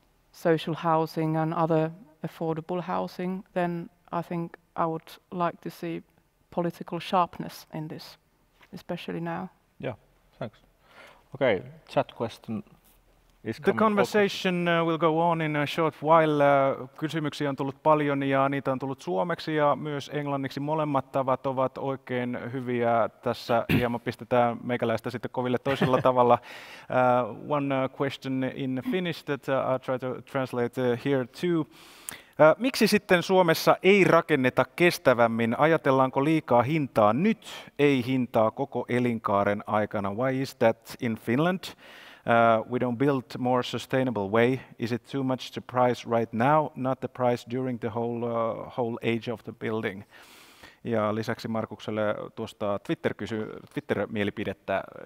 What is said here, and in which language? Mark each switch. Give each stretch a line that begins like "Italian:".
English: social housing and other affordable housing, then I think I would like to see political sharpness in this, especially now. Yeah, thanks. Okay, chat question. The conversation will go on in a short while.
Finnish: Kysymyksiä on tullut paljon ja niitä on tullut suomeksi ja myös englanniksi. Molemmat tavat ovat oikein hyviä tässä. Hieman pistetään meikäläistä sitten koville toisella tavalla.
English: One question in Finnish that I try to translate here too.
Finnish: Miksi sitten Suomessa ei rakenneta kestävämmin? Ajatellaanko liikaa hintaa nyt, ei hintaa koko elinkaaren aikana?
English: Why is that in Finland? We don't build more sustainable way. Is it too much to price right now, not the price during the whole age of the building?
Finnish: Ja lisäksi Markukselle tuosta Twitter-mielipidettä.